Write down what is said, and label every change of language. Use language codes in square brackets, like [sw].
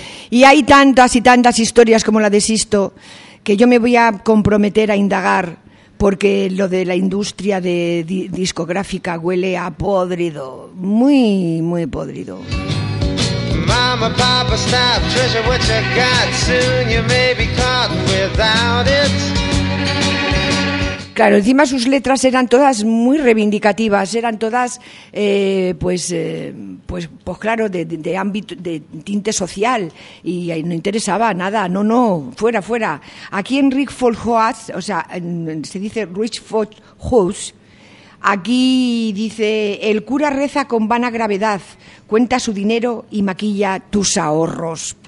[es] Y hay tantas y tantas historias como la de Sisto que yo me voy a comprometer a indagar, porque lo de la industria de discográfica huele a podrido, muy, muy podrido. [en] Mama, papa, stop, treasure what you got, soon you may be caught without it. [es] Claro, encima sus letras eran todas muy reivindicativas, eran todas, pues claro, de ámbito, de tinte social, y no interesaba nada, no, no, fuera, fuera. Aquí en Rich Folk House, o sea, se dice Rich Folk House, aquí dice, el cura reza con vana gravedad, cuenta su dinero y maquilla tus ahorros.